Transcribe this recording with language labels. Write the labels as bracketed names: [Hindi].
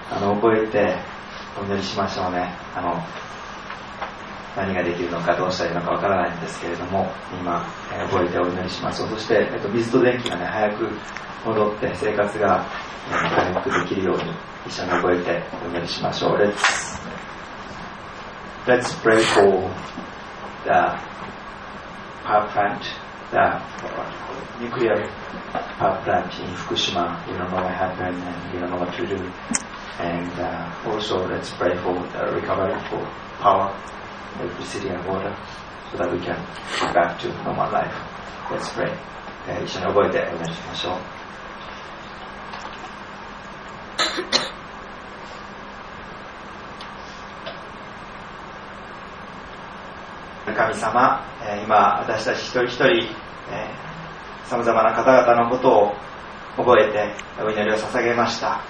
[Japanese] 覚えてお祈りしましょうね。何ができるのかどうしたらいいのかわからないんですけれども、今、覚えてお祈りします。そして、水と電気が、ね、早く戻って生活が、回復できるように一緒に覚えてお祈りしましょう。 [English] Let's pray for the power plant, the nuclear power plant in Fukushima. You don't know what happened and you don't know what to do. And also let's pray for the recovery for power, electricity and water. so that we can get back to normal life. Let's pray. [Japanese] 一緒に覚えてお願いしましょう。神様、今私たち一人一人、さまざまな方々のことを覚えてお祈りを捧げました。